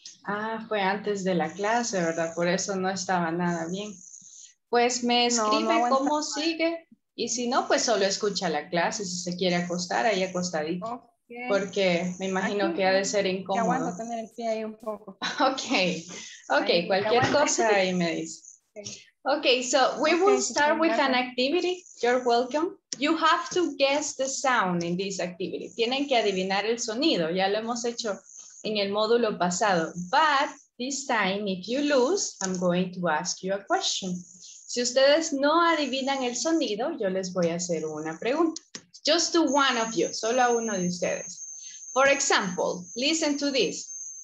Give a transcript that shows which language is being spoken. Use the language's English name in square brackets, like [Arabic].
[Spanish] Ah, fue antes de la clase, ¿verdad? Por eso no estaba nada bien. Pues me escribe cómo sigue. Y si no, pues solo escucha la clase. Si se quiere acostar, ahí acostadito. Okay. Porque me imagino aquí, que ha de ser incómodo. Aguanto tener el pie ahí un poco. Ok. Ok, ahí, cualquier cosa ahí me dice. [English] Okay, so we will start with an activity. You're welcome. You have to guess the sound in this activity. [Spanish] Tienen que adivinar el sonido. Ya lo hemos hecho en el módulo pasado. [English] But this time, if you lose, I'm going to ask you a question. [Spanish] Si ustedes no adivinan el sonido, yo les voy a hacer una pregunta. [English] Just to one of you, [Spanish] solo a uno de ustedes. [English] For example, listen to this.